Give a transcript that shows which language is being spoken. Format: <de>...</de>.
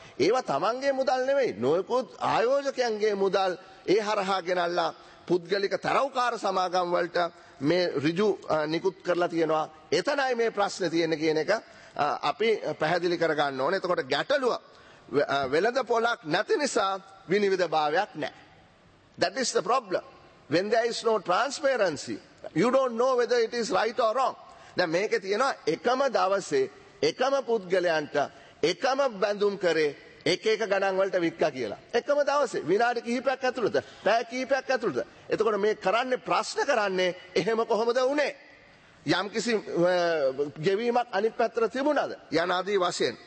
<si>ඒවා තමන්ගේ මුදල් නෙවෙයි, නොයෙකුත් ආයෝජකයන්ගේ මුදල් ඒ හරහා ගෙනල්ලා පුද්ගලික තරවකාර සමාගම් වලට මේ ඍජු නිකුත් කරලා තියෙනවා. එතනයි මේ ප්‍රශ්නේ තියෙන්නේ කියන එක අපි පැහැදිලි කරගන්න ඕනේ. එතකොට ගැටලුව වෙළඳ පොලක් නැති නිසා විනිවිද භාවයක් නැහැ.</si> <en>That is the problem. When there is no transparency, you don't know whether it is right or wrong.</en> <si>දැන් මේකේ තියෙනවා එකම දවසේ එකම පුද්ගලයන්ට එකම බැඳුම් කරේ එක එක ගණන් වලට විත්කා කියලා. එකම දවසේ විනාඩි කිහිපයක් ඇතුළත, පැය කිහිපයක් ඇතුළත. එතකොට මේ කරන්නේ ප්‍රශ්න කරන්නේ එහෙම කොහොමද වුනේ? යම්කිසි ගෙවීමක් අනිත් පැත්තට තිබුණාද? යනාදී වශයෙන්.</si>